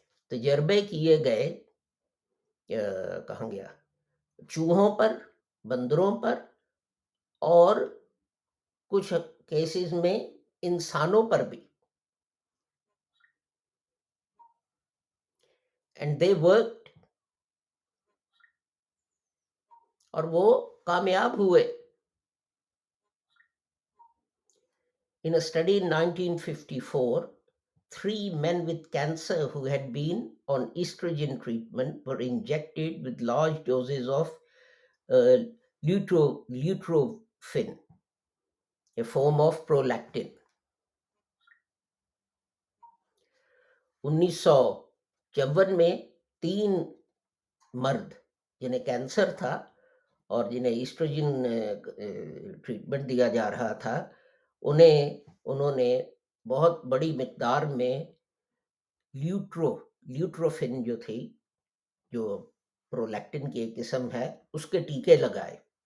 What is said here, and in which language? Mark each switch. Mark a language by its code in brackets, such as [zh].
[ur] تجربے کیے گئے کہاں گیا، چوہوں پر، بندروں پر اور کچھ کیسز میں انسانوں پر بھی. [en] and they worked, [ur] اور وہ کامیاب ہوئے. [en] In a study in 1954, three men with cancer who had been on estrogen treatment were injected with large doses of lutrophin, a form of prolactin. [ur] 1954 میں تین مرد جنہیں کینسر تھا اور جنہیں ایسٹروجن ٹریٹمنٹ دیا جا رہا تھا، انہوں نے بہت بڑی مقدار میں لیوٹروفن جو تھی، جو پرولیکٹن کی ایک قسم ہے، اس کے ٹیکے لگائے